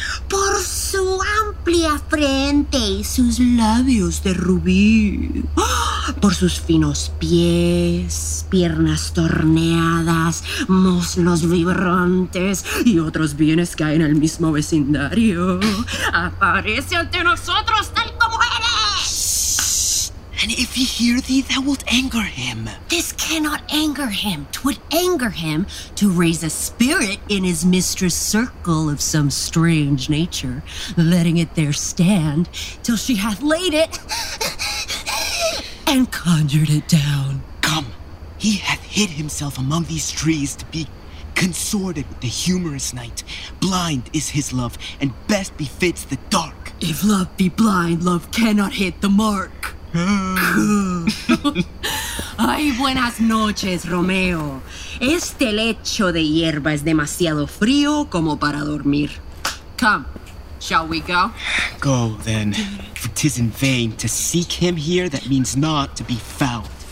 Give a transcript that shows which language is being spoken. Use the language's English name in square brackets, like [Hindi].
[Spanish] Por su amplia frente y sus labios de rubí. Por sus finos pies, piernas torneadas, muslos vibrantes y otros bienes que hay en el mismo vecindario. Aparece ante nosotros tal como eres. [English] And if he hear thee, thou wilt anger him. This cannot anger him. 'Twould anger him to raise a spirit in his mistress' circle of some strange nature, letting it there stand till she hath laid it and conjured it down. Come, he hath hid himself among these trees to be consorted with the humorous night. Blind is his love, and best befits the dark. If love be blind, love cannot hit the mark. [Spanish] Ay, buenas noches, Romeo. Este lecho de hierba es demasiado frío como para dormir. [English] Come, shall we go? Go, then. For 'tis in vain to seek him here that means not to be found.